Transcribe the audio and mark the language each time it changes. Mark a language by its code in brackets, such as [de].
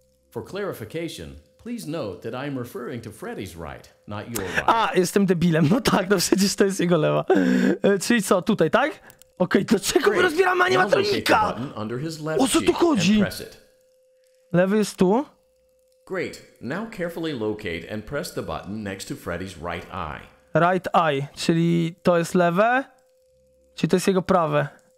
[en] For clarification, please note that I'm referring to Freddy's right, not your right. [pl] A, jestem debilem. No tak, no przecież to jest jego lewa. Czyli co, tutaj, tak? Okej, okay, dlaczego my rozbieramy animatronika? O co tu chodzi? Lewy jest tu. [en] Great. Now carefully locate and press the button next to Freddy's right eye. Right eye, [pl] czyli to jest lewe? Czyli to jest jego prawe?